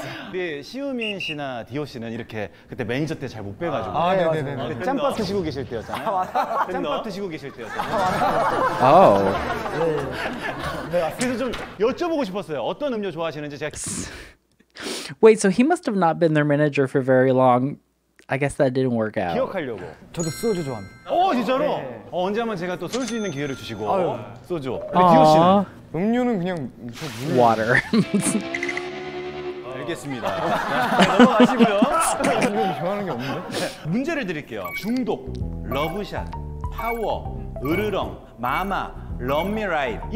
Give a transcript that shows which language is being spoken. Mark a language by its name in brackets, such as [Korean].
[Korean] 우리 시우민 씨나 디오 씨는 이렇게 그때 매니저 때 잘 못 빼가지고 아, 네, 네, 네, 짬밥 드시고 계실 때였잖아요. 짬밥 드시고 계실 때였잖아요. 아우. 네, 그래서 좀 여쭤보고 싶었어요. 어떤 음료 좋아하시는지 제가. [English] Wait, so he must have not been their manager for very long. I guess that didn't work out. [Korean] 기억하려고. 저도 소주 좋아합니다. 오, 진짜로? 네. 언제 한번 제가 또 쏠 수 있는 기회를 주시고. 아유. 소주. 우리 기호 씨는? 음료는 그냥 저 물. Water. 알겠습니다. 넘어가시고요. 음료 좋아하는 게 없는데? 문제를 드릴게요. 중독, 러브샷, 파워, 으르렁, 마마, 럼미라이드.